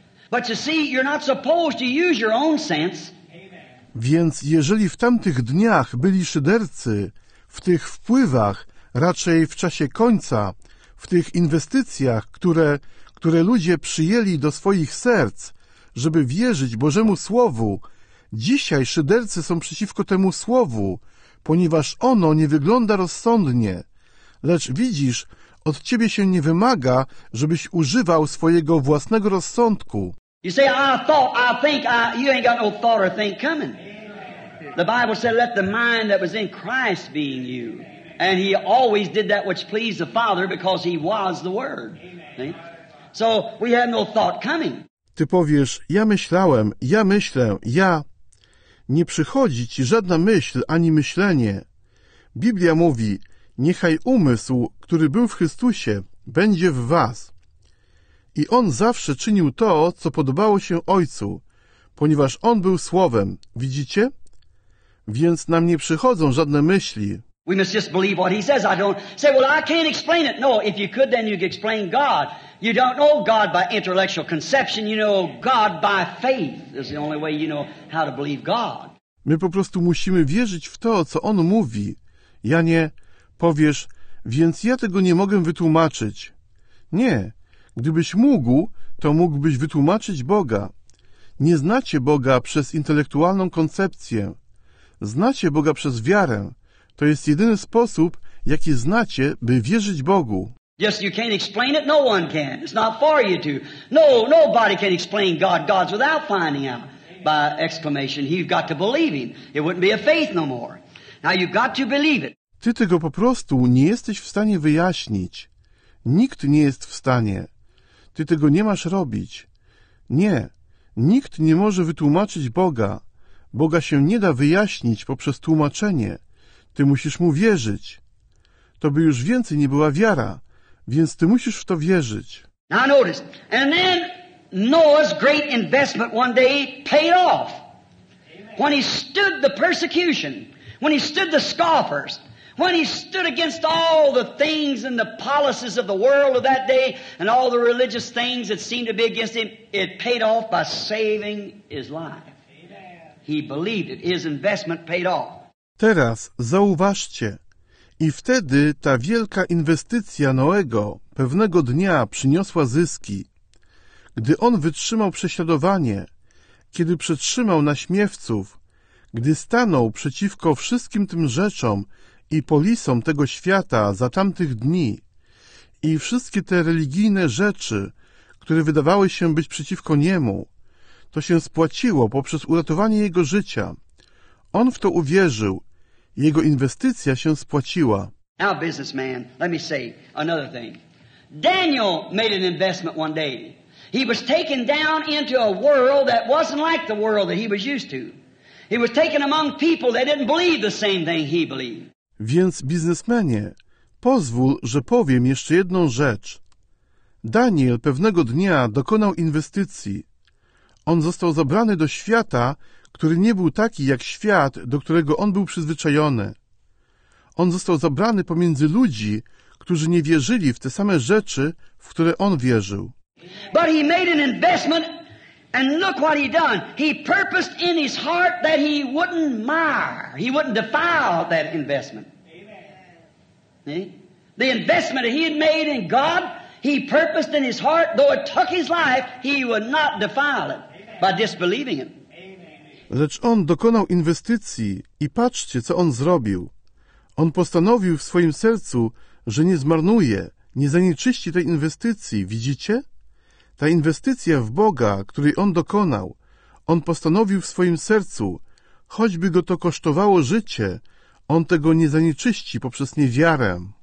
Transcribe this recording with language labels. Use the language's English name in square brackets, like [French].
[English] But you see, you're not supposed to use your own sense. [Polish] Więc jeżeli w tamtych dniach byli szydercy, w tych wpływach, raczej w czasie końca, w tych inwestycjach, które ludzie przyjęli do swoich serc, żeby wierzyć Bożemu Słowu. Dzisiaj szydercy są przeciwko temu Słowu, ponieważ ono nie wygląda rozsądnie. Lecz widzisz, od ciebie się nie wymaga, żebyś używał swojego własnego rozsądku. [English] You say, I thought, you ain't got no thought or think coming. The Bible said, let the mind that was in Christ be in you. And he always did that which pleased the Father because he was the Word. So we had no thought coming. [Polish] Ty powiesz, ja myślę, nie przychodzi ci żadna myśl ani myślenie. Biblia mówi, niechaj umysł, który był w Chrystusie, będzie w was. I on zawsze czynił to, co podobało się Ojcu, ponieważ on był Słowem, widzicie? Więc nam nie przychodzą żadne myśli. [English] We must just believe what he says. I don't say, well, I can't explain it. No, if you could, then you could explain God. You don't know God by intellectual conception. You know God by faith. That's the only way you know how to believe God. [Polish] My po prostu musimy wierzyć w to, co on mówi. Ja nie. Powiesz, więc ja tego nie mogę wytłumaczyć. Nie. Gdybyś mógł, to mógłbyś wytłumaczyć Boga. Nie znacie Boga przez intelektualną koncepcję. Znacie Boga przez wiarę. To jest jedyny sposób, jaki znacie, by wierzyć Bogu. [English] Yes, you can't explain it. No one can. It's not for you to. No, nobody can explain God. God's without finding out by exclamation. You've got to believe him. It wouldn't be a faith no more. Now you've got to believe it. [Polish] Ty tego po prostu nie jesteś w stanie wyjaśnić. Nikt nie jest w stanie. Ty tego nie masz robić. Nie. Nikt nie może wytłumaczyć Boga. Boga się nie da wyjaśnić poprzez tłumaczenie. Ty musisz mu wierzyć. To by już więcej nie była wiara. Więc ty musisz w to wierzyć. [English] Now notice. And then Noah's great investment one day paid off. When he stood the persecution, when he stood the scoffers, when he stood against all the things and the policies of the world of that day and all the religious things that seemed to be against him, it paid off by saving his life. He believed it. His investment paid off. [Polish] Teraz zauważcie. I wtedy ta wielka inwestycja Noego pewnego dnia przyniosła zyski. Gdy on wytrzymał prześladowanie, kiedy przetrzymał naśmiewców, gdy stanął przeciwko wszystkim tym rzeczom i polisom tego świata za tamtych dni i wszystkie te religijne rzeczy, które wydawały się być przeciwko niemu, to się spłaciło poprzez uratowanie jego życia. On w to uwierzył. Jego inwestycja się spłaciła. [English] Now, businessman, let me say another thing. Daniel made an investment one day. He was taken down into a world that wasn't like the world that he was used to. He was taken among people that didn't believe the same thing he believed. [Polish] Więc, biznesmenie, pozwól, że powiem jeszcze jedną rzecz. Daniel pewnego dnia dokonał inwestycji. On został zabrany do świata, który nie był taki jak świat, do którego on był przyzwyczajony. On został zabrany pomiędzy ludzi, którzy nie wierzyli w te same rzeczy, w które on wierzył. [English] But he made an investment and look what he done. He purposed in his heart that he wouldn't mar, he wouldn't defile that investment. Amen. The investment he had made in God, he purposed in his heart, though it took his life, he would not defile it by disbelieving it. [Polish] Lecz on dokonał inwestycji i patrzcie, co on zrobił. On postanowił w swoim sercu, że nie zmarnuje, nie zanieczyści tej inwestycji, widzicie? Ta inwestycja w Boga, której on dokonał, on postanowił w swoim sercu, choćby go to kosztowało życie, on tego nie zanieczyści poprzez niewiarę.